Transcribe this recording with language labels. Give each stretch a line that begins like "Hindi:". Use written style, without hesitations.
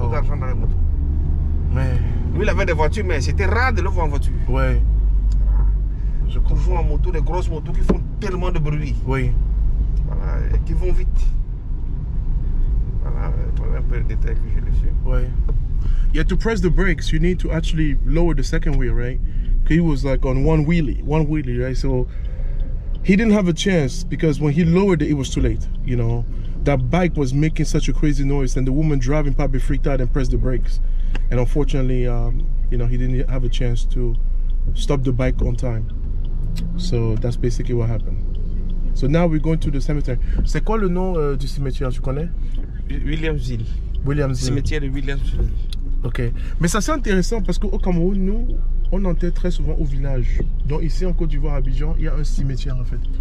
French: Beaucoup d'argent dans les motos. Mais... Lui, il avait des voitures, mais c'était rare de le voir en voiture. Oui. Je confonds en moto, les grosses motos qui font tellement de bruit. Oui. Voilà, et qui vont vite. Voilà un peu le détail que j'ai dessus. Oui.
English: You have to press the brakes, you need to actually lower the second wheel, right? Because he was like on one wheelie, right? So, he didn't have a chance because when he lowered it, it was too late, you know? that bike was making such a crazy noise, and the woman driving probably freaked out and pressed the brakes. And unfortunately, you know, he didn't have a chance to stop the bike on time. So that's basically what happened. So now we're going to the cemetery.
French: C'est quoi le nom du cimetière, tu connais? Williamsville. Cimetière de Williamsville. Ok. Mais ça c'est intéressant parce qu'au Cameroun, nous, on enterre très souvent au village. Donc ici en Côte d'Ivoire, à Abidjan, il y a un cimetière en fait.